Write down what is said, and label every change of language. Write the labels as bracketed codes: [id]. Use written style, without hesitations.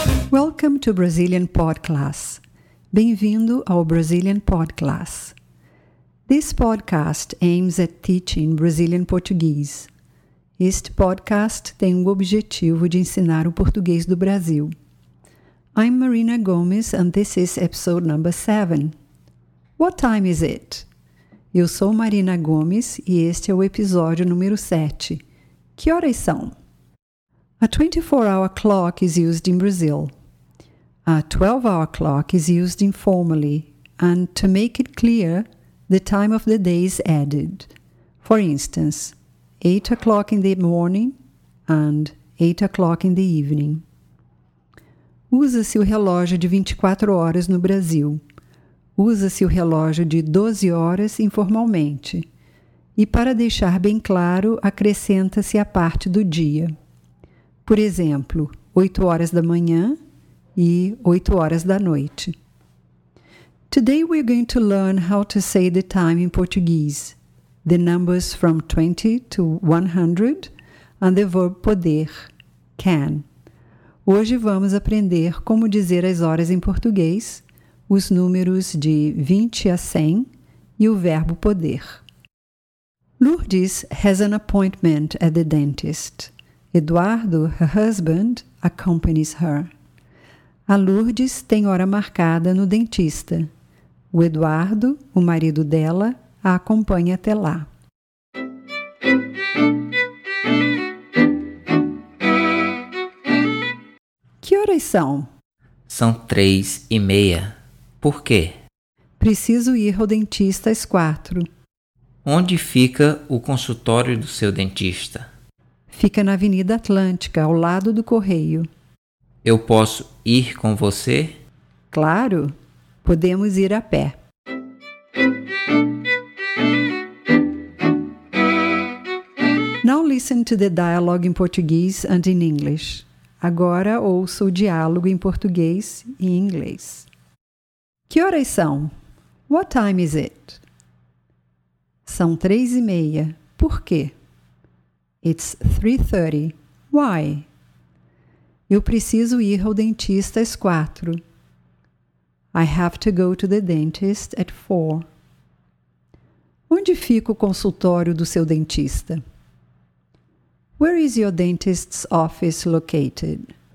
[en] Welcome to Brazilian Podclass. [pt] Bem-vindo ao Brazilian Podclass. [en] This podcast aims at teaching Brazilian Portuguese. [pt] Este podcast tem o objetivo de ensinar o português do Brasil. [en] I'm Marina Gomes and this is episode number 7. What time is it? [pt] Eu sou Marina Gomes e este é o episódio número 7. Que horas são? [en] A 24-hour clock is used in Brazil. A 12-hour clock is used informally, and to make it clear, the time of the day is added. For instance, 8 o'clock in the morning and 8 o'clock in the evening. [pt] Usa-se o relógio de 24 horas no Brasil. Usa-se o relógio de 12 horas informalmente. E para deixar bem claro, acrescenta-se a parte do dia. Por exemplo, 8 horas da manhã e 8 horas da noite. [en] Today we're going to learn how to say the time in Portuguese, the numbers from 20 to 100, and the verb poder, can. [pt] Hoje vamos aprender como dizer as horas em português, os números de 20 a 100 e o verbo poder. [en] Lourdes has an appointment at the dentist. Eduardo, her husband, accompanies her. [pt] A Lourdes tem hora marcada no dentista. O Eduardo, o marido dela, a acompanha até lá. Que horas são? São 3:30. Por quê? Preciso ir ao dentista às 4. Onde fica o consultório do seu dentista? Fica na Avenida Atlântica, ao lado do Correio. Eu posso ir com você? Claro, podemos ir a pé. [en] Now listen to the dialogue in Portuguese and in English. [pt] Agora ouça o diálogo em português e em inglês. Que horas são? [en] What time is it? [pt] São 3:30. Por quê? [en] It's 3:30. Why? [pt] Eu preciso ir ao dentista às 4. [en] I have to go to the dentist at 4. [pt] Onde fica o consultório do seu dentista? [en] Where is your dentist's office located?